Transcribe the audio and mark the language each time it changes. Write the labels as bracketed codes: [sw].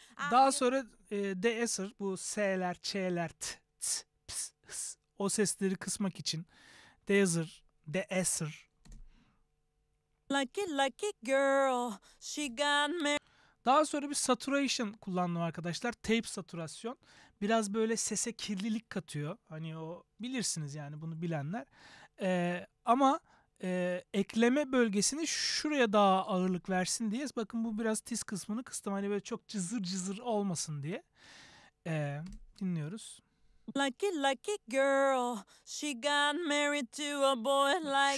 [tr] Daha sonra de-esser, bu s'ler, ç'ler, t, t, ps, ps, o sesleri kısmak için de-esser, de-esser. [en] Lucky, lucky girl, she got married. [tr] Daha sonra bir saturation kullandım arkadaşlar. Tape saturasyon. Biraz böyle sese kirlilik katıyor. Hani o bilirsiniz yani, bunu bilenler. Ama ekleme bölgesini şuraya daha ağırlık versin diye. Bakın bu biraz tiz kısmını kıstım. Hani böyle çok cızır cızır olmasın diye. Dinliyoruz. [en] Lucky, lucky girl, she got married to a boy like you.